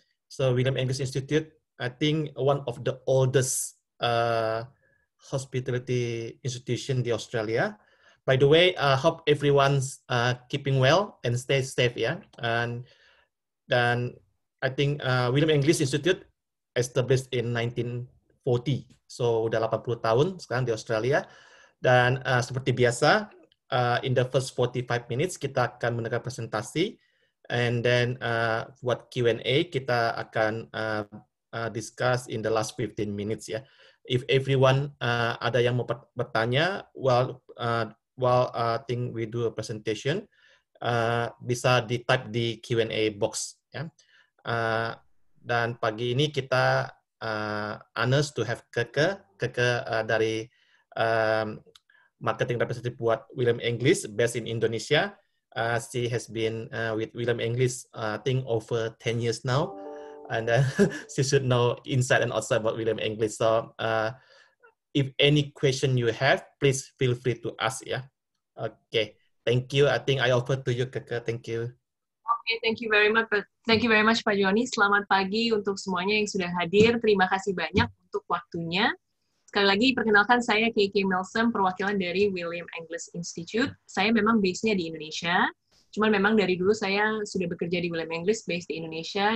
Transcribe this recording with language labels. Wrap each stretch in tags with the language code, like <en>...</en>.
<en>So, William English Institute, I think one of the oldest hospitality institution di Australia. By the way, I hope everyone's keeping well and stay safe, ya. Dan I think William English Institute established in 1940.</en> <id>So, udah 80 tahun sekarang di Australia. Dan seperti biasa,</id> <en>in the first 45 minutes,</en> <id>kita akan mendengar presentasi.</id> <en>And then,</en> <id>buat Q&A, kita akan</id> <en>discuss in the last 15 minutes. Ya. If everyone</en> <id>ada yang mau bertanya,</id> <en>well, I think we do a presentation,</en> <id>bisa di-type di</id> <en>Q&A box. Ya.</en> <id>Dan pagi ini kita</id> <en>honored to have Keke dari marketing representative buat William English based in Indonesia. She has been with William English I think over 10 years now, and she should know inside and outside about William English. So if any question you have, please feel free to ask. Yeah. Okay. Thank you. I think I offer to you, Keke. Thank you. Thank you very much, Pak Joni.</en> <id>Selamat pagi untuk semuanya yang sudah hadir. Terima kasih banyak untuk waktunya. Sekali lagi, perkenalkan saya KK Milsom, perwakilan dari William English Institute. Saya memang base-nya di Indonesia. Cuman memang dari dulu saya sudah bekerja di William English, based di Indonesia.</id>